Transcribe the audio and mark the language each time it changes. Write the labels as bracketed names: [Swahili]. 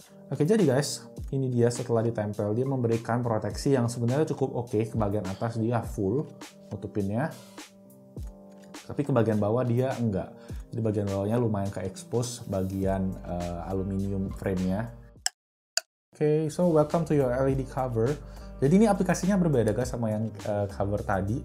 [Indonesian] Oke, jadi guys, ini dia setelah ditempel, dia memberikan proteksi yang sebenarnya cukup oke. Ke bagian atas dia full, nutupinnya. tapi ke bagian bawah dia enggak. Jadi bagian bawahnya lumayan ke-expose bagian aluminium frame-nya. [English] Okay, so welcome to your LED cover. [Indonesian] Jadi ini aplikasinya berbeda guys sama yang cover tadi.